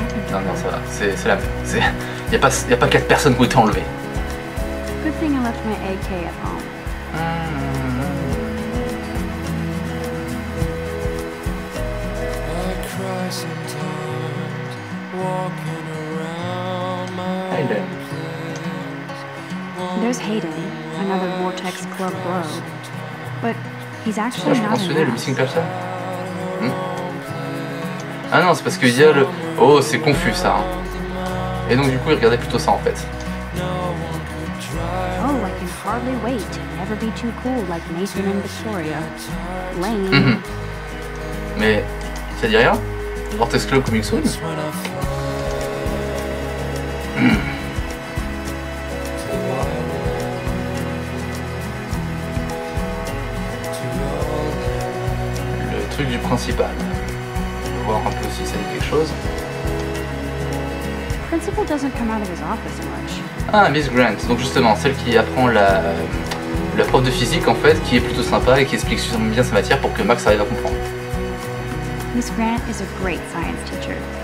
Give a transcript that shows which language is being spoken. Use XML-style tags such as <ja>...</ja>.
<fr>Non, ça va, c'est la même. Y'a pas 4 personnes qui ont été enlevées.</fr> <en>Good thing I left my AK at home. Hayden. There's Hayden, an another Vortex Club bro. But he's actually not.</en> <fr>Je mentionnais le</fr> <en>missing person.</en> <fr>Ah non, c'est parce qu'il y a le. Oh, c'est confus ça. Et donc du coup, il regardait plutôt ça en fait.</fr> <en>Oh, I can hardly wait. Never be too cool like Nathan and Victoria. Lane. Mm-hmm.</en> <fr>Mais ça dit rien.</fr> <en>Vortex Club coming soon.</en> <fr>Le truc du principal. Voir un peu si ça dit quelque chose.</fr> <en>Principal doesn't come out of his office much.</en> <fr>Ah, Miss Grant, donc justement, celle qui apprend la, la prof de physique en fait, qui est plutôt sympa et qui explique suffisamment bien sa matière pour que Max arrive à comprendre.</fr> <en>Miss Grant is a great science teacher.</en>